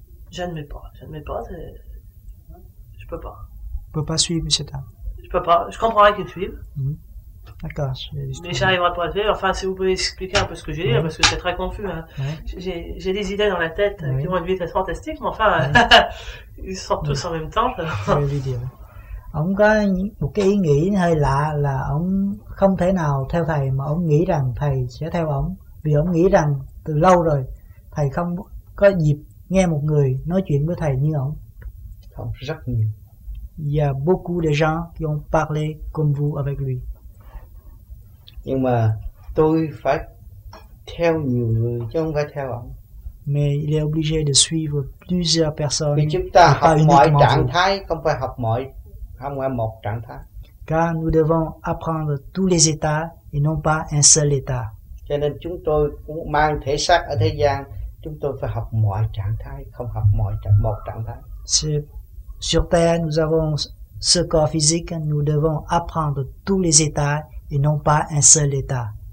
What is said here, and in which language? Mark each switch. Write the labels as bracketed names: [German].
[French] J'admets pas, c'est... je ne peux pas. Tu ne peux pas suivre, monsieur Tam. Je ne peux pas, je comprends rien qu'ils suivent. Mmh. D'accord, je vais juste... Mais ça n'arrivera pas à faire, enfin, si vous pouvez expliquer un peu ce que j'ai dit, parce que c'est très confus. Hein. Ouais. J'ai des idées dans la tête qui vont être vite être fantastiques, mais enfin... Ouais. Ils sortent tous en même temps. [Vietnamese] Ông có một cái ý nghĩ hơi lạ là ông không thể nào theo thầy mà ông nghĩ rằng thầy sẽ theo ông. Vì ông nghĩ rằng từ lâu rồi thầy không có dịp nghe một người nói chuyện với thầy như ông. Không, rất nhiều. [French] Il y a beaucoup de gens qui ont parlé comme vous avec lui. [Vietnamese] Nhưng mà tôi phải theo nhiều người chứ không phải theo ông. [French] Mais il est obligé de suivre plusieurs personnes. [Vietnamese] Vì chúng ta học mọi trạng thái, không phải học mọi, không phải một trạng thái. [French] Car nous devons apprendre tous les états et non pas un seul état. [Vietnamese] Cho nên chúng tôi cũng mang thể xác ở thế gian, chúng tôi phải học mọi trạng thái, không học mọi một trạng thái. [French] Sur terre, nous avons ce corps physique, nous devons apprendre tous les états et non pas un seul état.